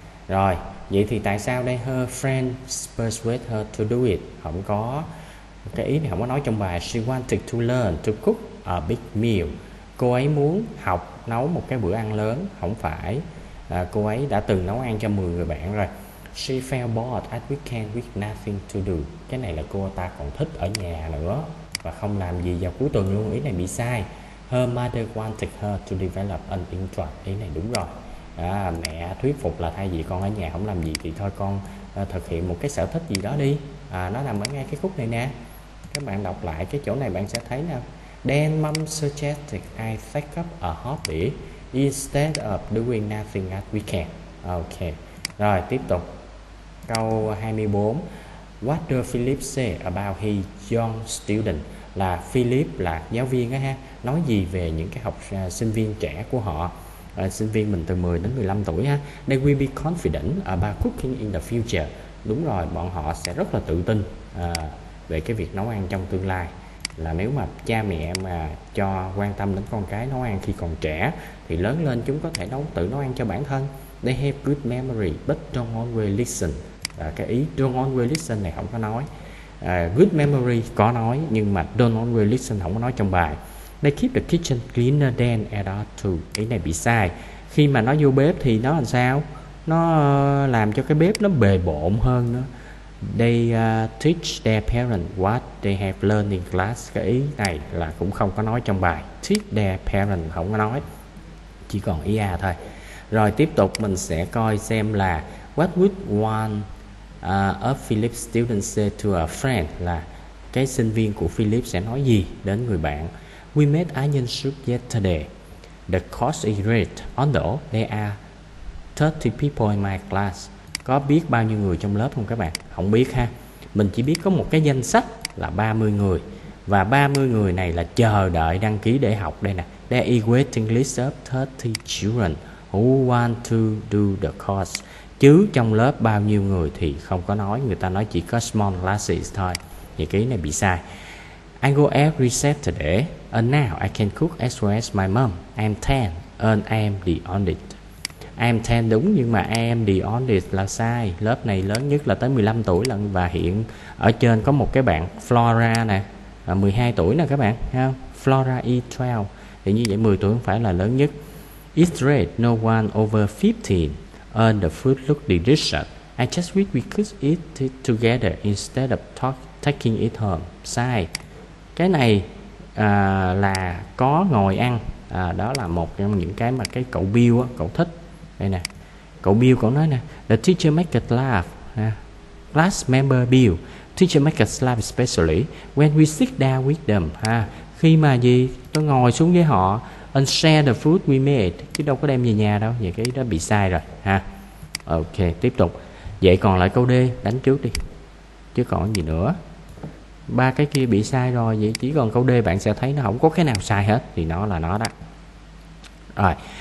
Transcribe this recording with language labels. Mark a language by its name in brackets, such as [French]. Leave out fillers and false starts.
[Vietnamese] Rồi vậy thì tại sao đây, [English] her friend persuade her to do it, [Vietnamese] không có cái ý này, không có nói trong bài. [English] She wanted to learn to cook a big meal, [Vietnamese] cô ấy muốn học nấu một cái bữa ăn lớn, không phải cô ấy đã từng nấu ăn cho 10 người bạn rồi. [English] She felt bored at weekend with nothing to do. [Vietnamese] Cái này là cô ta còn thích ở nhà nữa và không làm gì vào cuối tuần luôn. Ý này bị sai. [English] Her mother wanted her to develop an interest. [Vietnamese] Ý này đúng rồi. À, mẹ thuyết phục là thay vì con ở nhà không làm gì thì thôi con thực hiện một cái sở thích gì đó đi. À, nó nằm ở ngay cái khúc này nè. Các bạn đọc lại cái chỗ này bạn sẽ thấy nè. [English] Then mom suggested I take up a hobby instead of doing nothing at weekend. [Vietnamese] Ok, rồi tiếp tục. Câu 24. [English] What do Philip say about his young student? [Vietnamese] Là Philip là giáo viên á ha, nói gì về những cái học sinh viên trẻ của họ, sinh viên mình từ 10 đến 15 tuổi ha. [English] They will be confident about cooking in the future. [Vietnamese] Đúng rồi, bọn họ sẽ rất là tự tin về cái việc nấu ăn trong tương lai. Là nếu mà cha mẹ mà cho quan tâm đến con cái nấu ăn khi còn trẻ thì lớn lên chúng có thể nấu, tự nấu ăn cho bản thân. [English] They have good memory but don't always listen. [Vietnamese] Cái ý [English] don't always listen [Vietnamese] này không có nói. [English] Good memory [Vietnamese] có nói nhưng mà don't always listen không có nói trong bài. [English] They keep the kitchen cleaner than adults too. [Vietnamese] Ý này bị sai. Khi mà nó vô bếp thì nó làm sao? Nó làm cho cái bếp nó bề bộn hơn nữa. [English] They teach their parents what they have learned in class. [Vietnamese] Cái ý này là cũng không có nói trong bài. [English] Teach their parents [Vietnamese] không có nói, chỉ còn ý A thôi. Rồi tiếp tục mình sẽ coi xem là [English] what would one of Philip's students say to a friend, [Vietnamese] là cái sinh viên của Philip sẽ nói gì đến người bạn. [English] We made onion soup yesterday. The cost is great, although there are 30 people in my class. [Vietnamese] Có biết bao nhiêu người trong lớp không các bạn? Không biết ha. Mình chỉ biết có một cái danh sách là 30 người. Và 30 người này là chờ đợi đăng ký để học đây nè. [English] There is a waiting list of 30 children who want to do the course. [Vietnamese] Chứ trong lớp bao nhiêu người thì không có nói. Người ta nói chỉ có [English] small classes [Vietnamese] thôi. Vậy cái này bị sai. [English] I go every Saturday and now I can cook as well as my mom. I'm 10 and I'm the oldest. I'm 10 [Vietnamese] đúng nhưng mà [English] I'm the oldest [Vietnamese] là sai. Lớp này lớn nhất là tới 15 tuổi lận. Và hiện ở trên có một cái bạn Flora nè, 12 tuổi nè các bạn ha. [English] Flora is 12. [Vietnamese] Thì như vậy 10 tuổi không phải là lớn nhất. [English] It's great no one over 15 and the food look delicious. I just wish we could eat it together instead of taking it home. [Vietnamese] Sai. Cái này là có ngồi ăn à, đó là một trong những cái mà cái cậu Bill á, cậu thích. Đây nè, cậu Bill cậu nói nè, [English] the teacher make us laugh [Vietnamese] ha. [English] Class member Bill, teacher make us laugh especially when we sit down with them ha. [Vietnamese] Khi mà gì, tôi ngồi xuống với họ [English] and share the food we made, [Vietnamese] chứ đâu có đem về nhà đâu. Vậy cái đó bị sai rồi ha. Ok, tiếp tục. Vậy còn lại câu D, đánh trước đi, chứ còn gì nữa. Ba cái kia bị sai rồi, vậy chỉ còn câu D bạn sẽ thấy nó không có cái nào sai hết. Thì nó là nó đó. Rồi.